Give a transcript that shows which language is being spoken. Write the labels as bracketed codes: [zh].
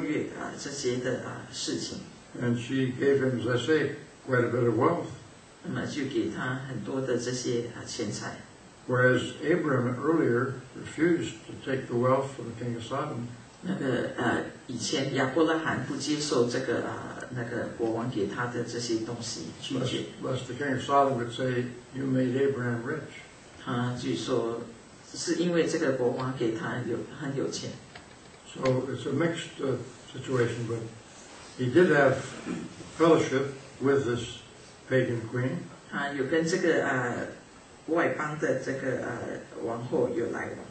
[zh] 这个是可能上帝那个超越这些的事情。 [en] And she gave him, as I say, quite a bit of wealth. [zh] 那么就给他很多的这些钱财。 [en] Whereas Abraham earlier refused to take the wealth from the king of Sodom. [zh] 以前亚伯拉罕不接受这个国王给他的这些东西，拒绝。 [en] Lest the king of Sodom would say, "You made Abraham rich." [zh] 他据说是因为这个国王给他很有钱。 [en] So it's a mixed situation, but he did have fellowship with this pagan queen. [zh] 他有跟这个 外邦的这个王后有来往。